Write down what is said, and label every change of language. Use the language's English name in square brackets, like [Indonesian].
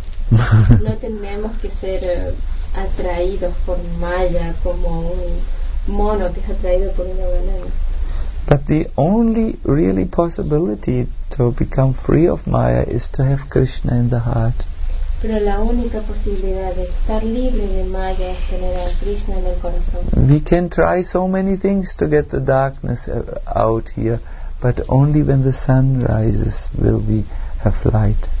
[Spanish] No tenemos que ser atraídos por Maya como un mono que es atraído por una banana. [English] But the only really possibility to become free of Maya is to have Krishna in the heart. [Spanish] Pero la única posibilidad de estar libre de Maya es tener a Krishna en el corazón. [English] We can try so many things to get the darkness out here, but only when the sun rises will we have light.